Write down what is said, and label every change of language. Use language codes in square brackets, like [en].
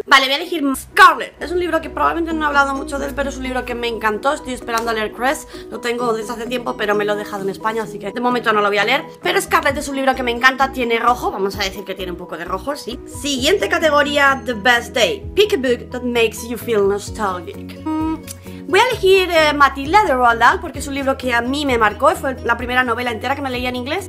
[es] Vale, voy a elegir Scarlet. Es un libro que probablemente no he hablado mucho de él, pero es un libro que me encantó. Estoy esperando a leer Crest. Lo tengo desde hace tiempo, pero me lo he dejado en España, así que de momento no lo voy a leer. Pero Scarlet es un libro que me encanta. Tiene rojo, vamos a decir que tiene un poco de rojo, sí. Siguiente categoría, The Best Day. [en] Pick a book that makes you feel nostalgic. [es] Voy a elegir Matilda de Roald Dahl porque es un libro que a mí me marcó y fue la primera novela entera que me leía en inglés.